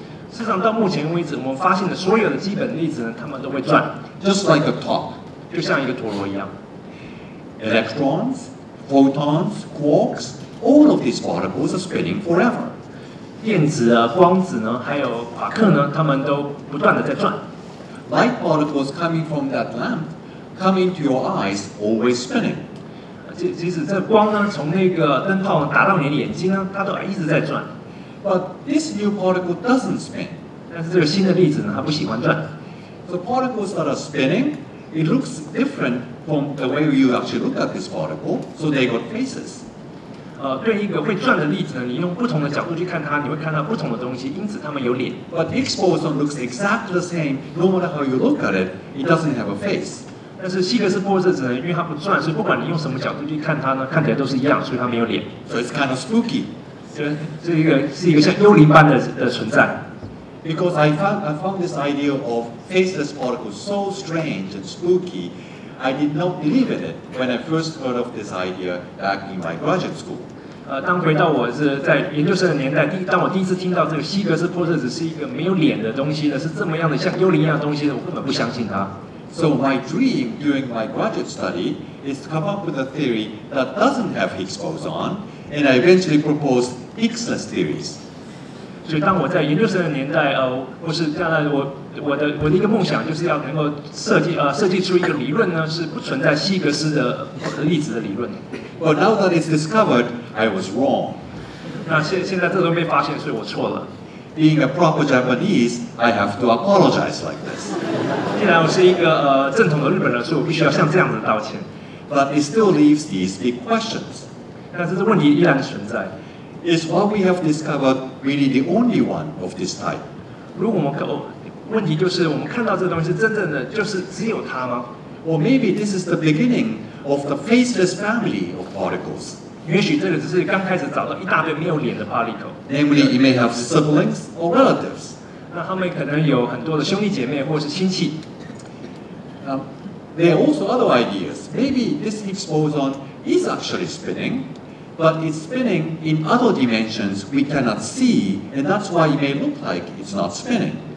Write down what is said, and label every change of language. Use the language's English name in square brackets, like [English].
[Chinese] 事实上，到目前为止，我们发现的所有的基本粒子呢，它们都会转。 [English] Just like a top. [Chinese] 就像一个陀螺一样。 [English] Electrons, photons, quarks, all of these particles are spinning forever. [Chinese] 电子啊，光子呢，还有夸克呢，它们都不断的在转。 [English] Light particles coming from that lamp. Come into your eyes, always spinning. [Chinese] 即使这光呢，从那个灯泡打到你的眼睛呢，它都一直在转。 [English] But this new particle doesn't spin. [Chinese] 但是这个新的粒子呢，它不喜欢转。 [English] The particles that are spinning, it looks different from the way you actually look at this particle. So they got faces. [Chinese] 对一个会转的粒子呢，你用不同的角度去看它，你会看到不同的东西，因此它们有脸。 [English] But Higgs boson looks exactly the same, no matter how you look at it. It doesn't have a face. [Chinese] 但是希格斯玻色子呢，因为它不转，所以不管你用什么角度去看它呢，看起来都是一样，所以它没有脸。 [English] So it's kind of spooky. [Chinese] 这是一个像幽灵般的存在。 [English] Because I found this idea of faceless particles so strange and spooky, I did not believe in it when I first heard of this idea back in my graduate school. [Chinese] 当回到我是在研究生的年代，当我第一次听到这个希格斯玻色子是一个没有脸的东西呢，是这么样的像幽灵一样的东西呢，我根本不相信它。 [English] So my dream during my graduate study is to come up with a theory that doesn't have Higgs boson, and I eventually proposed Higgsless theories. [Chinese] 所以当我在研究生的年代，或是将来我的一个梦想就是要能够设计出一个理论呢，是不存在希格斯的粒子的理论。 [English] But now that it's discovered, I was wrong. [Chinese] 那现在这都被发现，所以我错了。 [English] Being a proper Japanese, I have to apologize like this. [Chinese] 既然我是一个正统的日本人，所以我必须要像这样子道歉。 [English] But it still leaves these big questions. [Chinese] 但是这问题依然存在。 [English] Is what we have discovered really the only one of this type? [Chinese] 如果我们问题就是我们看到这东西真正的就是只有它吗 [English] ？Or maybe this is the beginning of the faceless family of particles. [Chinese] 也许这个只是刚开始找到一大堆没有脸的 particle. [English] Namely, it may have siblings or relatives. [Chinese] 那他们可能有很多的兄弟姐妹或是亲戚。 [English] There are also other ideas. Maybe this Higgs boson is actually spinning. but it's spinning in other dimensions we cannot see, and that's why it may look like it's not spinning.